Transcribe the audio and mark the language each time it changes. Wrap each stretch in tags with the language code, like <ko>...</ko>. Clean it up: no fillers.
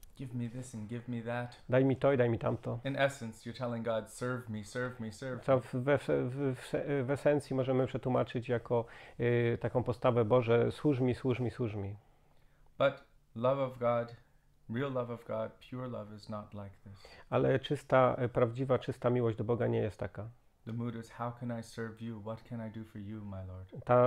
<en>Give me this and give me that.</en> <pl>Daj mi to i daj mi tamto.</pl> <en>In essence, you're telling God, serve me, serve me, serve</en> <pl>Co</pl> <en>me.</en> <pl>w esencji możemy przetłumaczyć jako taką postawę: Boże, służ mi, służ mi, służ mi.</pl> <en>But love of God, real love of God, pure love is not like this.</en> <pl>Ale prawdziwa, czysta miłość do Boga nie jest taka.</pl> <en>The mood is, how can I serve you? What can I do for you, my Lord?</en>